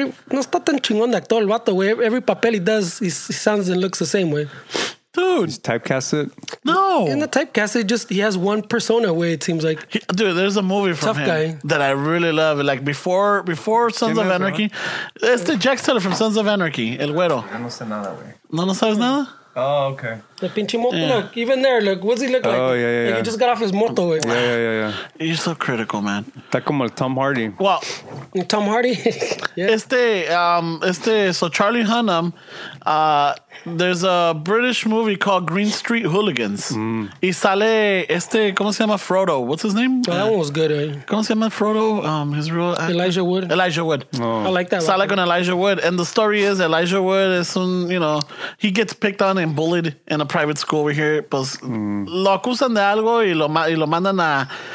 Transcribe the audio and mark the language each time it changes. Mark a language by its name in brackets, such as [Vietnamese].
[Spanish] No está tan chingón de actor el vato, güey. [English] Every [Spanish] papel [English] he does, he sounds and looks the same way. Dude, he's typecast it. No, in the typecast, he has one persona. Way it seems like, dude, there's a movie from tough him guy that I really love. Like before Sons of Anarchy, bro. It's the Jax Teller from Sons of Anarchy, El Güero. [Spanish] No sabes nada. [English] Oh, okay. The [Spanish] pinche moto, [English] yeah. Look, even there, look, what's he look like? Oh, yeah. He just got off his moto. Yeah, yeah. You're so critical, man. [Spanish] Está como el Tom Hardy. [English] Well, Tom Hardy? Yeah. So Charlie Hunnam, there's a British movie called Green Street Hooligans. [Spanish] Y sale ¿cómo se llama? Frodo. [English] What's his name? Oh, that one was good, right? [Spanish] ¿Cómo se llama Frodo? [English] Elijah Wood. Elijah Wood. Oh. I like that. [Spanish] Sale con Elijah Wood. [English] And the story is Elijah Wood is he gets picked on and bullied in a private school over here. [Spanish] Pues lo acusan de algo y lo mandan a.